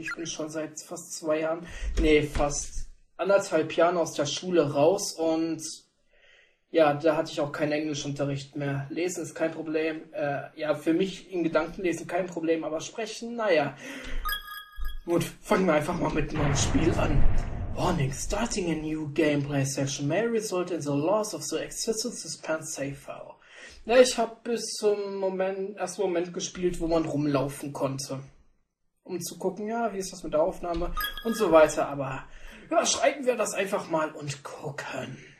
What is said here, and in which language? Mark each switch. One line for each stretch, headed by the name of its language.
German: Ich bin schon seit fast 2 Jahren, fast anderthalb Jahren aus der Schule raus und ja, da hatte ich auch keinen Englischunterricht mehr. Lesen ist kein Problem. Für mich in Gedanken lesen kein Problem, aber sprechen, naja. Gut, fangen wir einfach mal mit meinem Spiel an.
English: Warning, starting a new gameplay session may result in the loss of the existence suspense save file.
German: Ja, ich habe bis zum ersten Moment gespielt, wo man rumlaufen konnte. Um zu gucken, ja, wie ist das mit der Aufnahme und so weiter, aber überschreiten wir das einfach mal und gucken.